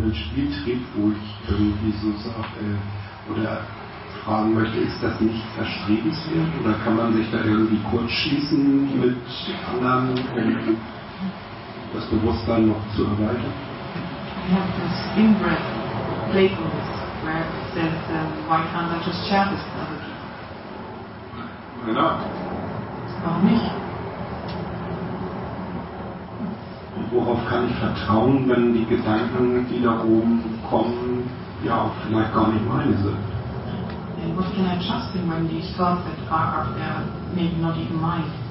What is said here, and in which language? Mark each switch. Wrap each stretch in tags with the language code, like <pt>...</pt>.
<de>Spieltrieb, wo ich irgendwie so sage oder fragen möchte, ist das nicht erstrebenswert oder kann man sich da irgendwie kurz schließen mit anderen, um das Bewusstsein noch zu erweitern?</de> <en>I have this in-breath playfulness where it says, why can't I just share this with other people? Why not?</en> <de>Warum nicht? Worauf kann ich vertrauen, wenn die Gedanken, die da oben kommen, ja, vielleicht gar nicht meine sind?</de> <en>And what can I trust in when these thoughts that are up there maybe not even mine?</en>